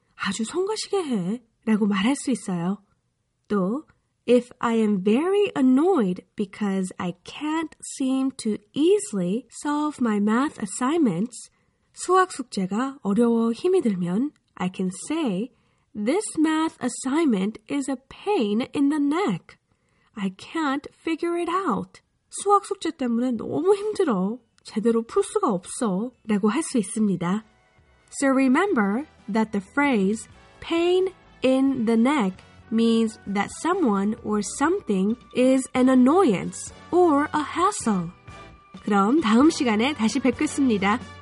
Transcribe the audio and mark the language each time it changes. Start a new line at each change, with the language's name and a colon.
Korean: 아주 성가시게 해. 라고 말할 수 있어요. 또,
English: If I am very annoyed because I can't seem to easily solve my math assignments,
Korean: 수학 숙제가 어려워 힘이 들면,
English: I can say, this math assignment is a pain in the neck. I can't figure it out.
Korean: 수학 숙제 때문에 너무 힘들어. 제대로 풀 수가 없어. 라고 할 수 있습니다.
English: So remember that the phrase pain in the neck means that someone or something is an annoyance or a hassle.
Korean: 그럼 다음 시간에 다시 뵙겠습니다.